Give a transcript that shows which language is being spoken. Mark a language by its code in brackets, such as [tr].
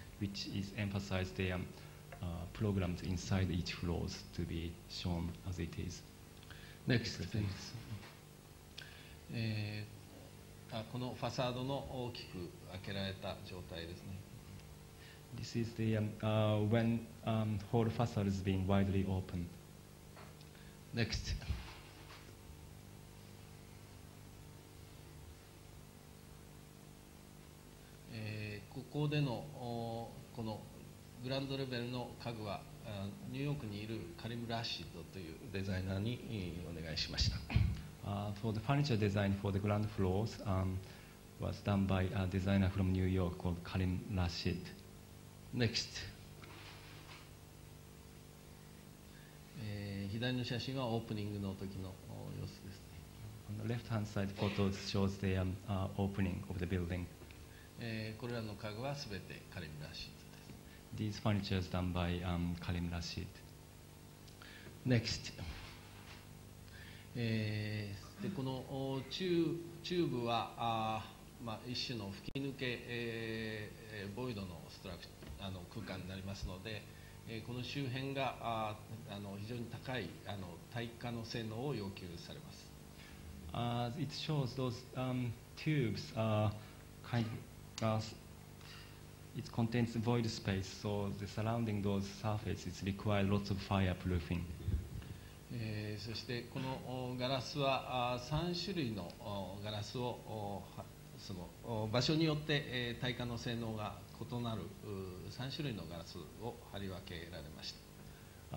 [en] Which is emphasized the programs inside each floors to be shown as it is. Next, please. [ja] このファサードの大きく開けられた状態ですね。 [en] This is the when whole facade is being widely open. Next. [ja] ここでのこのグランドレベルの家具はニューヨークにいるカリム・ラッシドというデザイナーにお願いしました。 [en] For the furniture design for the ground floors was done by a designer from New York called Karim Rashid. Next. [ja] 左の写真はオープニングの時の様子ですね。 [en] On the left hand side photos shows the opening of the building [ja] これらの家具はすべてカリム・ラシッドです。 [en] These furniture is done by カリム・ラシッド。 Next、 [ja] でこのチューブはまあ、一種の吹き抜け、ボイドのストラクあの空間になりますので、この周辺が非常に高い耐火の性能を要求されます。 [en] It shows those tubes are kind ofIt contains void space, so the surrounding those surfaces require lots of fireproofing. [ja] そしてこのガラスは3種類のガラスをその場所によって耐火の性能が異なる3種類のガラスを貼り分けられました。